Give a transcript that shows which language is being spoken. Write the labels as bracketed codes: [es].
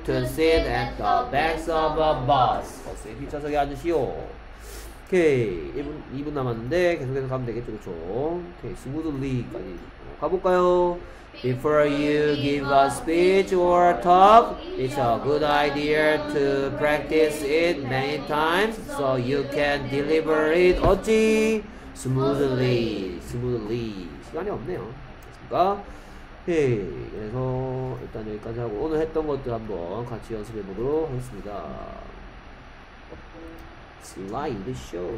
[en] To sit at the back of a bus. [ko] 버스의 뒷좌석에 앉으시오. 오케이, 1분, 2분 남았는데 계속해서 가면 되겠죠, 그쵸? 오케이, smoothly까지 가볼까요? [en] Before you give a speech or talk, it's a good idea to practice it many times so you can deliver it [ko] 어찌? [en] Smoothly, smoothly. [ko] 시간이 없네요. 됐습니까? 오케이, 그래서 일단 여기까지 하고 오늘 했던 것들 한번 같이 연습해 보도록 하겠습니다. 슬라이드 쇼.